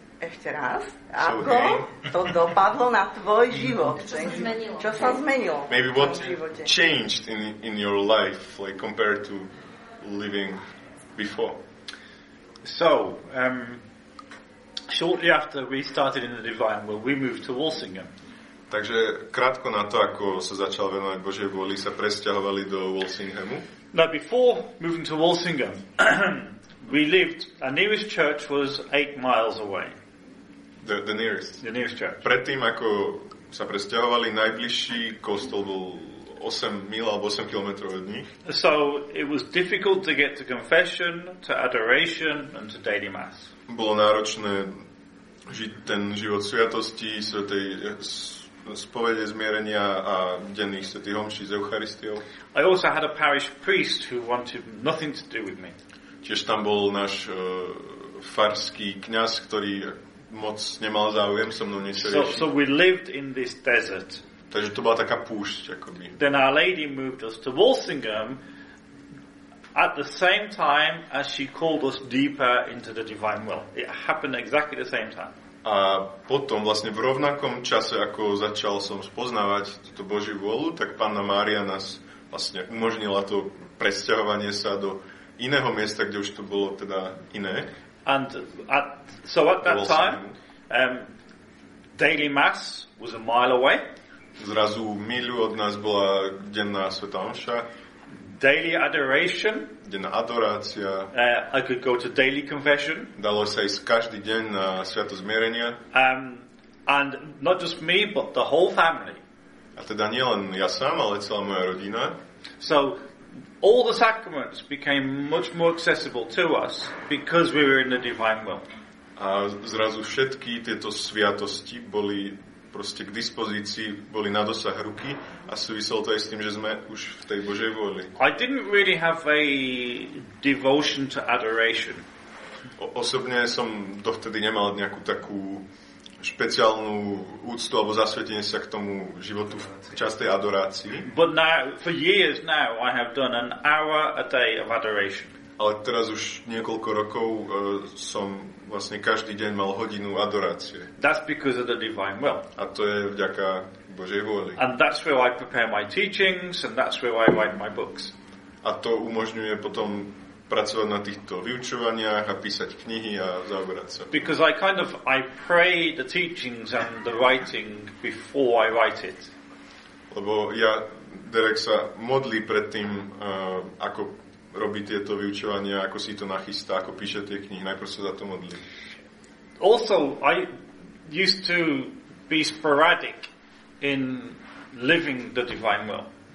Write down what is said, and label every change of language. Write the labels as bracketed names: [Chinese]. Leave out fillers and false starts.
[Slovak] Ešte raz. Ako to dopadlo na tvoj život? Čo sa zmenilo? [English] Maybe what changed in your life like compared to living before. So, shortly after we started in the divine will, we moved to Walsingham. [Slovak] Takže krátko na to, ako sa začal venovať Božej vôli, sa presťahovali do Walsinghamu. [English] Now, before moving to Walsingham, we lived, our nearest church was 8 miles away. The nearest church. [Slovak] Predtým, ako sa presťahovali, najbližší kostol bol 8 mil alebo 8 kilometrov od nich. [English] So it was difficult to get to confession, to adoration and to daily mass. [Slovak] Bolo náročné žiť ten život sviatosti, svätej spovede, zmierenia a denných svätých homší s Eucharistiou. [English] I also had a parish priest who wanted nothing to do with me. [Slovak] Tiež tam bol náš farský kňaz, ktorý moc nemal záujem so mnou niečo riešiť. [English] So we lived in this desert. [Slovak] Takže to bola taká púšť, akoby. [English] Then Our Lady moved us to Walsingham at the same time as she called us deeper into the divine will. It happened exactly the same time. [Slovak] A potom vlastne v rovnakom čase, ako začal som spoznávať túto Božiu vôľu, tak Panna Mária nás vlastne umožnila to presťahovanie sa do iného miesta, kde už to bolo teda iné. [English] And at, so at that time, daily mass was a mile away. [Slovak] Zrazu míľu od nás bola denná svätá omša. [English] Daily adoration. [Slovak] Denná adorácia. [English] I could go to daily confession. [Slovak] Dalo sa ísť každý deň na sviatosť zmierenia. [English] And not just me, but the whole family. [Slovak] A teda nie len ja sám, ale celá moja rodina. [English] So all the sacraments became much more accessible to us because we were in the divine will. [Slovak] A zrazu všetky tieto sviatosti boli proste k dispozícii, boli na dosah ruky a súviselo to aj s tým, že sme už v tej Božej vôli. [English] I didn't really have a devotion to adoration. [Slovak] Osobne som dovtedy nemal nejakú takú špeciálnu úctu alebo zasvetenie sa k tomu životu v častej adorácii. [English] But now, for years now, I have done an hour a day of adoration. [Slovak] Ale teraz už niekoľko rokov som vlastne každý deň mal hodinu adorácie. [English] That's because of the divine will. [Slovak] A to je vďaka Božej vôli. [English] And that's where I prepare my teachings and that's where I write my books. [Slovak] A to umožňuje potom pracovať na týchto vyučovaniach a písať knihy a zaoberať sa. [English] Because I kind of I pray the teachings and the writing before I write it. [Slovak] Lebo ja Derek sa modlí pred tým, ako robí tieto vyučovania, ako si to nachystá, ako píše tie knihy, najprv sa za to modlí. [English] Also I used to be sporadic in living the divine will.